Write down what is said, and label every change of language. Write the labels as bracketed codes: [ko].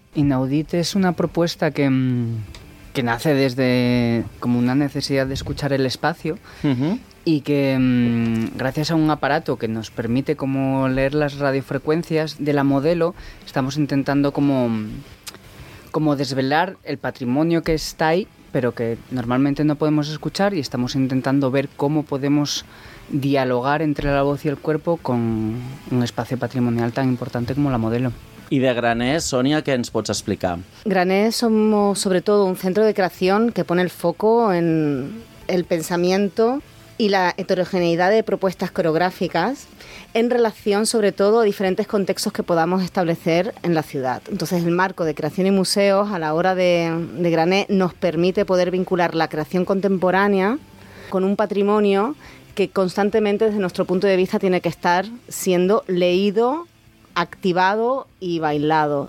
[ca] Inaudit és una proposta que [es] nace desde como una necesidad de escuchar el espacio y que gracias a un aparato que nos permite como leer las radiofrecuencias de la modelo, estamos intentando como desvelar el patrimonio que está ahí, pero que normalmente no podemos escuchar, y estamos intentando ver cómo podemos dialogar entre la voz y el cuerpo con un espacio patrimonial tan importante como la modelo. [ca] I de Graner, Sònia, què ens pots explicar? [es] Graner somos sobre todo un centro de creación que pone el foco en el pensamiento y la heterogeneidad de propuestas coreográficas en relación sobre todo a diferentes contextos que podamos establecer en la ciudad. Entonces el marco de creación y museos a la hora de Graner nos permite poder vincular la creación contemporánea con un patrimonio que constantemente desde nuestro punto de vista tiene que estar siendo leído, activado y bailado.